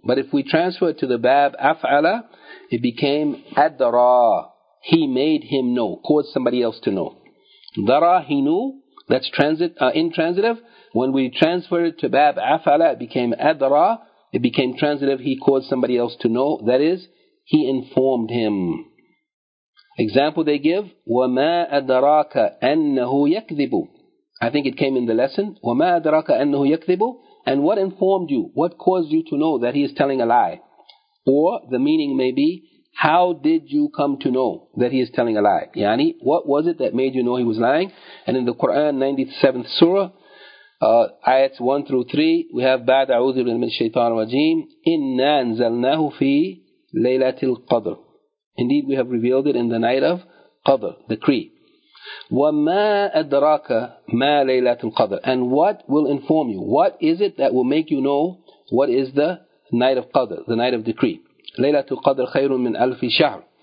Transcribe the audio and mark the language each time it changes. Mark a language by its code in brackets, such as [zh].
[en] But if we transfer it to the bab af'ala, it became adara. He made him know, caused somebody else to know. Dara, he knew, that's intransitive. When we transfer it to bab af'ala, it became adara. It became transitive, he caused somebody else to know. That is, he informed him. Example they give, [ar] وَمَا أَدْرَاكَ أَنَّهُ يَكْذِبُ. [en] I think it came in the lesson. [ar] وَمَا أَدْرَاكَ أَنَّهُ يَكْذِبُ. [en] And what informed you? What caused you to know that he is telling a lie? Or the meaning may be, how did you come to know that he is telling a lie? Yani, what was it that made you know he was lying? And in the Quran, 97th surah, ayats 1 through 3, we have [ar] بعد أعوذ بالله من الشيطان الرجيم إِنَّا أَنزَلْنَاهُ فِي لَيْلَةِ الْقَدْرِ. [en] Indeed, we have revealed it in the night of Qadr, decree. [ar] وَمَا أَدْرَاكَ مَا لَيْلَةُ الْقَدْرِ. [en] And what will inform you? What is it that will make you know what is the night of Qadr, the night of decree? [ar] لَيْلَةُ الْقَدْرِ خَيْرٌ مِنْ أَلْفِ شَهْرٍ.